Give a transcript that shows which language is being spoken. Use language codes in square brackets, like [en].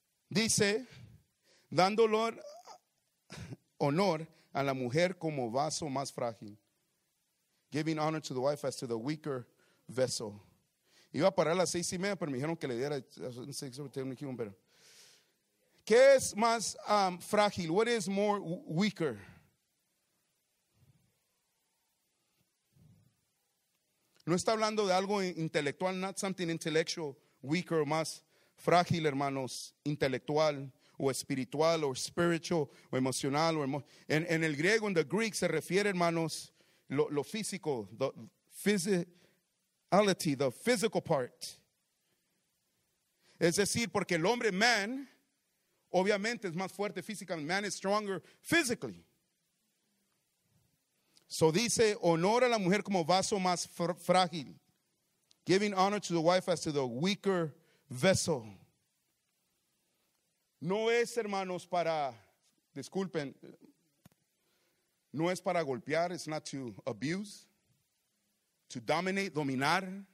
[es] Dice, dando honor a la mujer como vaso más frágil. [en] Giving honor to the wife as to the weaker vessel. [es] Iba a parar a las 6:30, pero me dijeron que le diera 6:10. ¿Qué es más frágil? [en] What is more weaker? [es] No está hablando de algo intelectual, [en] not something intellectual, [es] weaker, más frágil, hermanos, intelectual o espiritual o spiritual o emocional. En el griego, en [en] the Greek, [es] se refiere, hermanos, lo físico, [en] the physicality, the physical part. [es] Es decir, porque el hombre, man, obviamente es más fuerte físicamente. [en] Man is stronger physically. [es] So dice, honor a la mujer como vaso más frágil. [en] Giving honor to the wife as to the weaker vessel. [es] No es, hermanos, para, disculpen, no es para golpear, [en] it's not to abuse, to dominate, [es] dominar.